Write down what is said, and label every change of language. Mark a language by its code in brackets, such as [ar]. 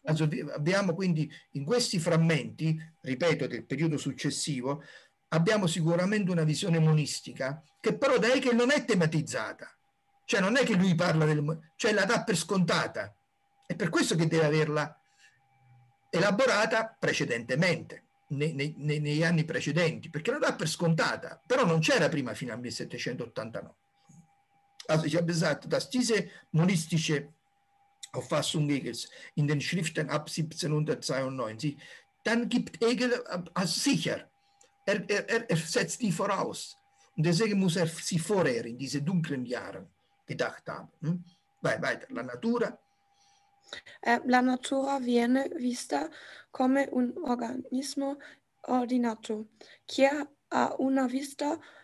[it] Also, abbiamo quindi in questi frammenti, ripeto, del periodo successivo, abbiamo sicuramente una visione monistica, che però direi che non è tematizzata. Cioè non è che lui parla del... cioè la dà per scontata. È per questo che deve averla elaborata precedentemente, negli anni precedenti, perché la dà per scontata, però non c'era prima fino al 1789. [de] Also ich habe gesagt, dass diese monistische Auffassung Hegels in den Schriften ab 1792, dann gibt Hegel als sicher, er setzt die voraus. Und deswegen muss er sie vorher in diese dunklen Jahren gedacht haben. [it] Vai, weiter, la natura. La natura viene vista come un organismo ordinato, che ha una vista...